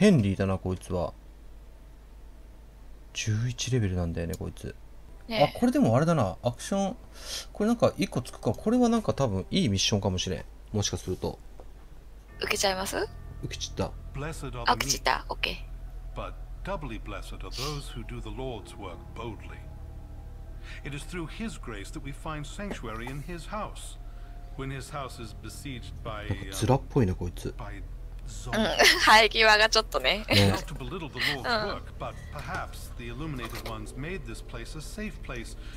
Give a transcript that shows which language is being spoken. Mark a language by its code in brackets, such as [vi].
[ja] ヘンリーだな、こいつは。11レベルなんだよね、こいつ。ね、あ、これでもあれだな、アクション、これなんか一個つくか、これはなんか多分いいミッションかもしれん、もしかすると。受けちゃいます？受けちった。あ、受けちった、オッケー。 [en] But doubly blessed are those who do the Lord's work boldly. It is through His grace that we find sanctuary in His house. When His house is besieged by. [ja] なんかズラっぽいな、こいつ。うん、生え際がちょっとね。ね、うん。 [en] But perhaps the illuminated ones made this place a safe place.